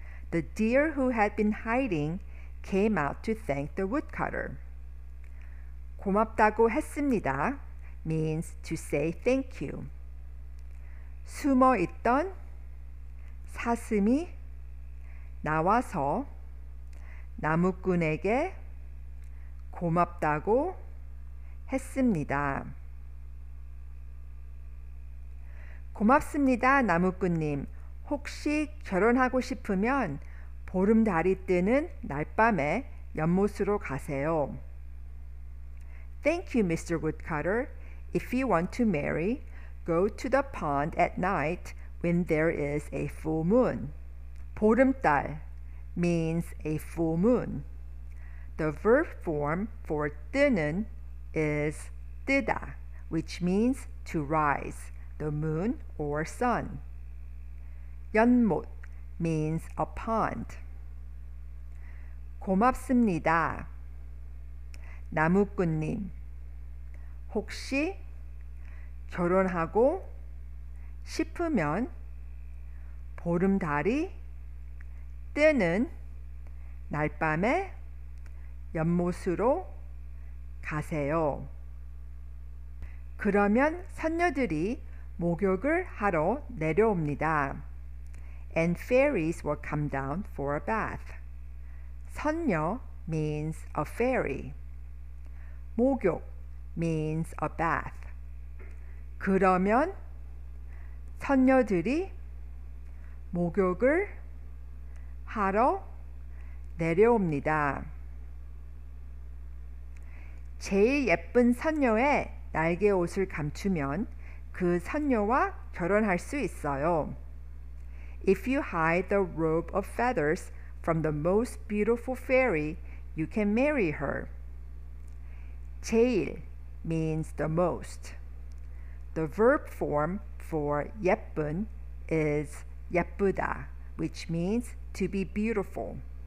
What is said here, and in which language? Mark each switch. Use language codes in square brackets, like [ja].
[en] The deer who had been hiding came out to thank the woodcutter. [ko] 고맙다고 했습니다. [en] Means to say thank you. [ko] 숨어있던 사슴이 나와서 나무꾼에게 고맙다고 했습니다. 고맙습니다, 나무꾼님. 혹시 결혼하고 싶으면 보름달이 뜨는 날밤에 연못으로 가세요. [en] Thank you, Mr. Woodcutter. If you want to marry, go to the pond at night when there is a full moon. 보름달 means a full moon. The verb form for 뜨는 is 뜨다, which means to rise, the moon or sun. 연못 means a pond. [ko] 고맙습니다. 나무꾼님, 혹시 결혼하고 싶으면 보름달이 뜨는 날밤에 연못으로 가세요. 그러면 선녀들이 목욕을 하러 내려옵니다. [en] And fairies will come down for a bath. 선녀 means a fairy. 목욕 means a bath. [ko] 그러면 처녀들이 목욕을 하러 내려옵니다. 제일 예쁜 선녀의 날개 옷을 감추면 그 선녀와 결혼할 수 있어요. [en] If you hide the robe of feathers from the most beautiful fairy, you can marry her. 제일 means the most. The verb form for 예쁜 is 예쁘다, which means to be beautiful.